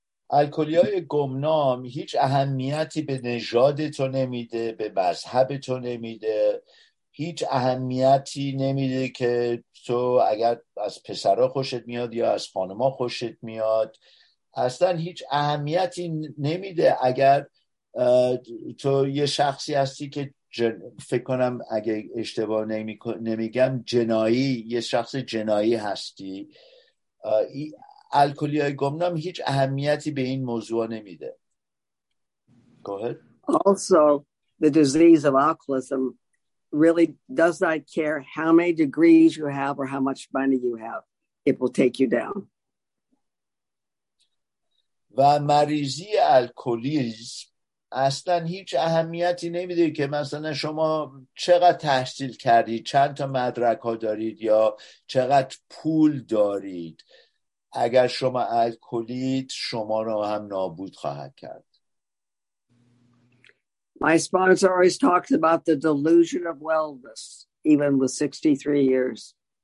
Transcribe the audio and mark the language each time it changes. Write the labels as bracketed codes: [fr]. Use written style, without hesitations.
[fa] الکلی‌های گمنام هیچ اهمیتی به نژاد تو نمیده، به مذهب تو نمیده، هیچ اهمیتی نمیده که تو اگر از پسرها خوشت میاد یا از خانم‌ها خوشت میاد، اصلا هیچ اهمیتی نمیده اگر تو یه شخصی هستی که فکر کنم اگر اشتباه نمیگم جنایی، یه شخص جنایی هستی. الکلی های گمنام هیچ اهمیتی به این موضوع نمیده. [en] Go ahead. Also, the disease of alcoholism really does not care how many degrees you have or how much money you have. It will take you down. [fa] و مریضی الکلیسم اصلا هیچ اهمیتی نمیده که مثلا شما چقدر تحصیل کردید، چند تا مدرک ها دارید یا چقدر پول دارید. اگر شما الکلید، شما را هم نابود خواهد کرد. [en] My sponsor always talks about the delusion of wellness, even with 63 years.